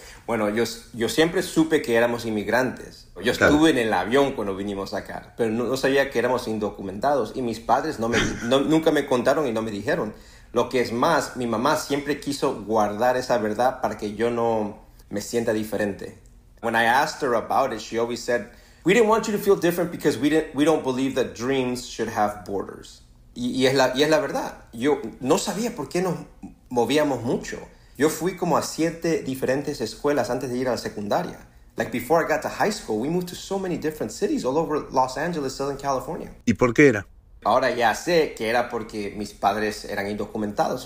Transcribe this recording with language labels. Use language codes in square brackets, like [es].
[es] Bueno, yo siempre supe que éramos inmigrantes. Yo estuve en el avión cuando vinimos acá, pero no sabía que éramos indocumentados. Y mis padres nunca me contaron y no me dijeron. Lo que es más, mi mamá siempre quiso guardar esa verdad para que yo no me sienta diferente. [en] When I asked her about it, she always said, "We didn't want you to feel different because we don't believe that dreams should have borders." [es] Y es la verdad. Yo no sabía por qué nos movíamos mucho. Yo fui como a 7 diferentes escuelas antes de ir a la secundaria. [en] Like before I got to high school, we moved to so many different cities all over Los Angeles, Southern California. [es] ¿Y por qué era? Ahora ya sé que era porque mis padres eran indocumentados.